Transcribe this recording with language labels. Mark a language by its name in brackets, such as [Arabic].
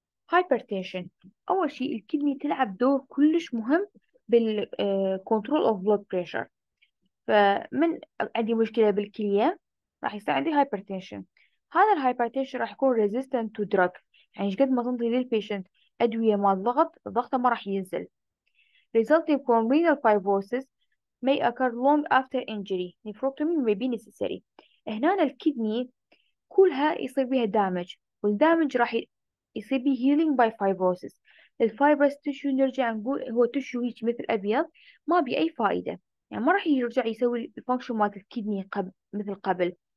[Arabic] هايبرتنشن، أول شيء الكدني تلعب دور كلش مهم بالكنترول اوف بلود بريشر، فمن عندي مشكلة بالكلية راح يصير عندي هايبرتنشن، هذا الهايبرتنشن راح يكون [English] resistant to drug, [Arabic] يعني ايش قد ما تنطي للبيشنت أدوية مال ضغط ضغطه ما راح ينزل. [English] resulting from renal fibrosis may occur long after injury nephrectomy may be necessary. [Arabic] هنا الكدني كلها يصير بيها دامج، والدامج راح يصير بيه هيلينج باي فايبروسس، الفايبرس تشو نرجع نقول هو تشو هيك مثل ابيض ما بي اي فائده، يعني ما راح يرجع يسوي الفانكشن مال الكدني مثل قبل،